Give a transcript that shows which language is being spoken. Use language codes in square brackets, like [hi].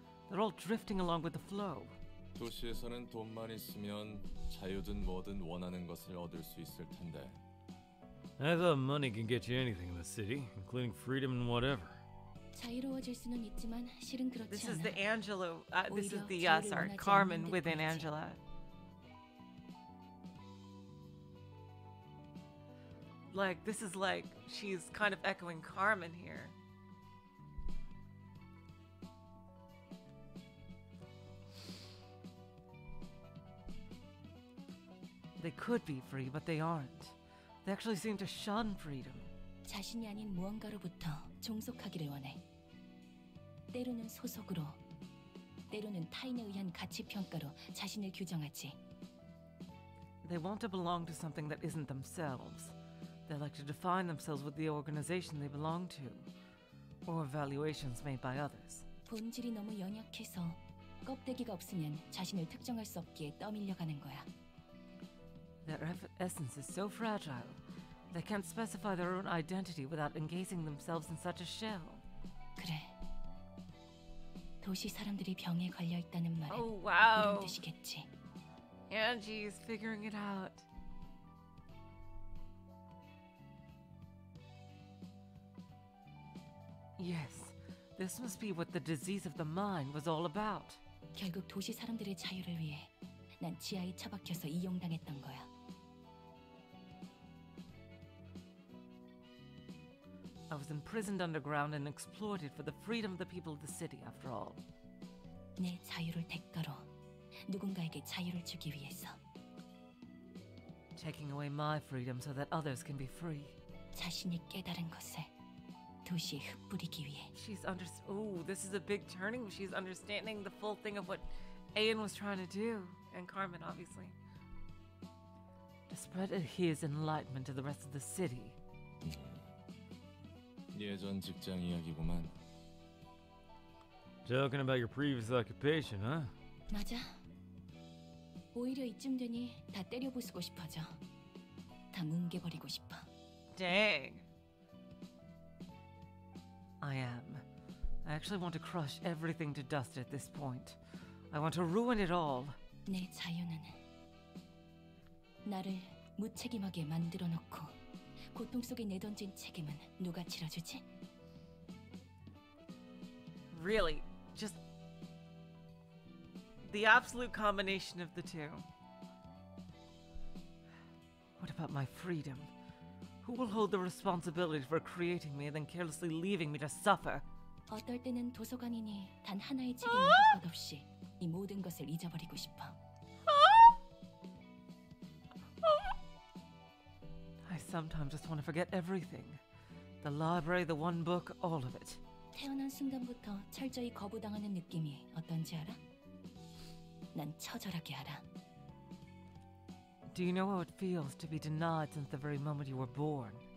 [en] They're all drifting along with the flow. [ko] 도시에서는 돈만 있으면 자유든 뭐든 원하는 것을 얻을 수 있을 텐데. [en] I thought money can get you anything in the city, including freedom and whatever. [ko] 자유로워질 수는 있지만 실은 그렇지 않아. [en] This is the Angela. This is the sorry, Carmen within Angela. Like, this is like, she's kind of echoing Carmen here. They could be free, but they aren't. They actually seem to shun freedom. [ko] 자신이 아닌 무언가로부터 종속하기를 원해. 때로는 소속으로, 때로는 타인에 의한 가치 평가로 자신을 규정하지. [en] They want to belong to something that isn't themselves. They like to define themselves with the organization they belong to, or evaluations made by others. [ko] 본질이 너무 연약해서 껍데기가 없으면 자신을 특정할 수 없기에 떠밀려가는 거야. [en] Their essence is so fragile, they can't specify their own identity without encasing themselves in such a shell. [ko] 그래. 도시 사람들이 병에 걸려 있다는 말은 [en] oh, wow. [ko] 이런 뜻이겠지. [en] Angie is figuring it out. Yes, this must be what the disease of the mind was all about. [ko] 결국 도시 사람들의 자유를 위해 난 지하에 처박혀서 이용당했던 거야. [en] I was imprisoned underground and exploited for the freedom of the people of the city, after all. [ko] 내 자유를 대가로 누군가에게 자유를 주기 위해서. [en] Taking away my freedom so that others can be free. [ko] 자신이 깨달은 것을 도시에 흩뿌리기 위해. [en] She's under. Oh, this is a big turning. She's understanding the full thing of what Aeon was trying to do, and Carmen, obviously. To spread his enlightenment to the rest of the city. [ko] 예전 직장 이야기구만. [en] Talking about your previous occupation, huh? [ko] 맞아. 오히려 이쯤 되니 다 때려부수고 싶어져. 다 뭉개버리고 싶어. [en] Dang. I am. I actually want to crush everything to dust at this point. I want to ruin it all. [ko] 내 자유는 나를 무책임하게 만들어놓고 고통 속에 내던진 책임은 누가 치러주지? [en] Really? Just the absolute combination of the two. What about my freedom? Who will hold the responsibility for creating me and then carelessly leaving me to suffer? [ko] 어떨 때는 도서관이니 단 하나의 책임이 될 것 없이 이 모든 것을 잊어버리고 싶어. [en] I sometimes just want to forget everything. The library, the one book, all of it. [ko] 태어난 순간부터 철저히 거부당하는 느낌이 어떤지 알아? 난 처절하게 알아. [en] Do you know how it feels to be denied since the very moment you were born?